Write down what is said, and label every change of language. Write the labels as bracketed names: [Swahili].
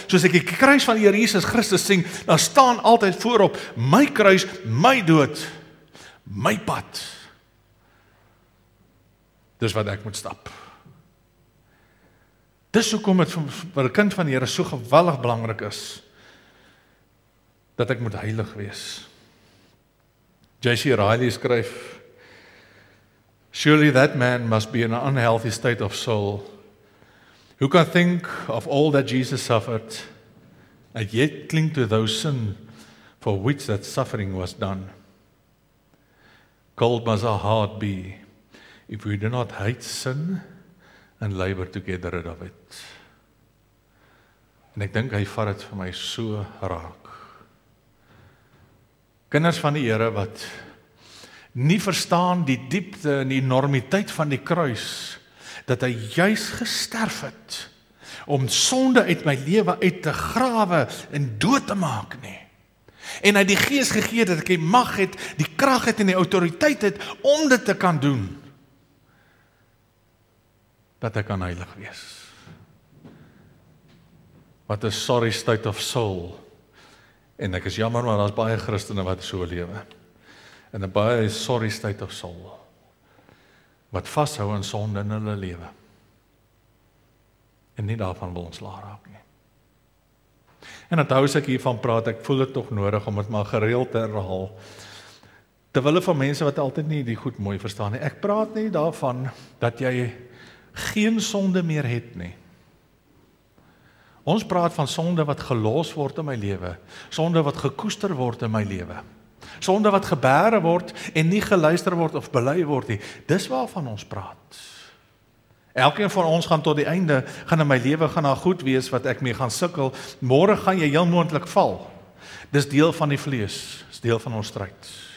[Afrikaans] Soos ek die kruis van die Heer Jesus Christus sien, dan staan altyd voorop, my kruis, my dood, my pad. Dis wat ek moet stap. Dis hoekom het vir die kind van die Heer so geweldig belangrik is, dat ek moet heilig wees. J.C. [English] Riley [Afrikaans] skryf, [English] surely that man must be in an unhealthy state of soul, who can think of all that Jesus suffered, and yet cling to those sin for which that suffering was done. Cold must our heart be, if we do not hate sin, and labor to get rid of it. [Afrikaans] En ek dink hy vat het vir my so raak. Kinders van die Here wat nie verstaan die diepte en die enormiteit van die kruis, dat hy juis gesterf het, om sonde uit my lewe uit te grawe en dood te maak nie. En hy die gees gegee dat ek die mag het, die krag het en die autoriteit het, om dit te kan doen, dat ek kan heilig wees. Wat [English] a sorry state of soul. [Afrikaans] En ek is jammer, maar daar is baie Christene wat so lewe. En a baie [English] sorry state of soul. [Afrikaans] Wat vasthou in sonde in hulle lewe. En nie daarvan wil ons laat nie. En het hou as ek hiervan praat, ek voel het toch nodig om het maar gereeld te herhaal. Terwille van mense wat altyd nie die goed mooi verstaan nie. Ek praat nie daarvan dat jy geen sonde meer het nie. Ons praat van sonde wat gelos word in my lewe, sonde wat gekoester word in my lewe, sonde wat gebeere word en nie geluister word of bely word nie. Dis waarvan ons praat. Elkeen van ons gaan tot die einde, gaan in my lewe gaan na goed wees wat ek mee gaan sukkel. Môre gaan jy heel moontlik val. Dis deel van die vlees, dis deel van ons stryd.